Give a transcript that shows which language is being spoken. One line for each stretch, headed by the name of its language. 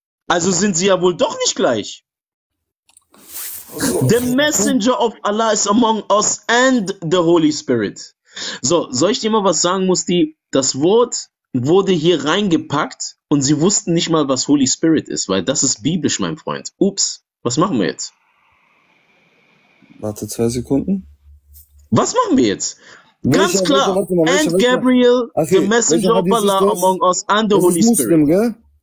German: Also sind sie ja wohl doch nicht gleich.
English: The messenger of Allah is among us and the Holy Spirit.
German: So, soll ich dir mal was sagen, Musti? Das Wort wurde hier reingepackt und sie wussten nicht mal, was Holy Spirit ist, weil das ist biblisch, mein Freund. Ups, was machen wir jetzt? Warte zwei Sekunden. Was machen wir jetzt? Ganz klar,
English: and Gabriel, the messenger of Allah among us and the Holy Spirit.